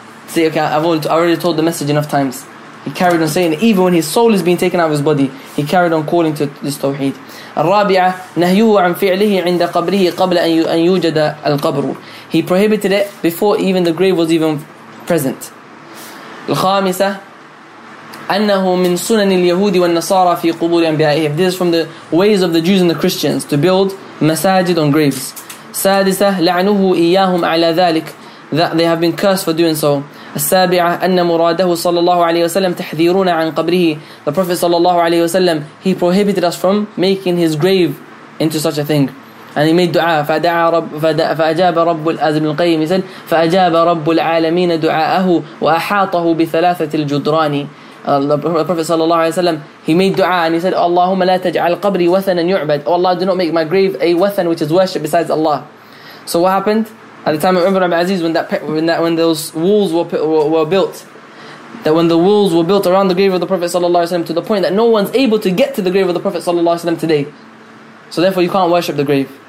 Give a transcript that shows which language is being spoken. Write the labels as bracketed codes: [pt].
[en] Say, okay, I've already told the message enough times. He carried on saying, even when his soul is being taken out of his body, he carried on calling to this tawheed. [ar] الرابعة نهيه عن فعله عند قبره قبل أن يوجد القبر. [en] He prohibited it before even the grave was even present. [ar] الخامسة أنه من سنن اليهود والنصارى في قبور أنبيائهم. [en] This is from the ways of the Jews and the Christians to build masajid on graves. [ar] سادسة لعنه إياهم على ذلك. [en] That they have been cursed for doing so. [ar] السابعة أن مراده صلى الله عليه وسلم تحذيرون عن قبره. [en] The Prophet صلى الله عليه وسلم he prohibited us from making his grave into such a thing. And he made dua. [ar] فأجاب رب الأزم القيم مثل فأجاب رب العالمين دعاءه وأحاطه بثلاثة الجدران. [en] The Prophet صلى الله عليه وسلم he made dua and he said [ar] اللهم لا تجعل قبري وثنا يعبد. [en] Oh Allah, do not make my grave a wathan which is worshipped besides Allah. So what happened? At the time of Umar ibn Aziz, when those walls were built around the grave of the Prophet ﷺ, to the point that no one's able to get to the grave of the Prophet ﷺ today. So therefore you can't worship the grave.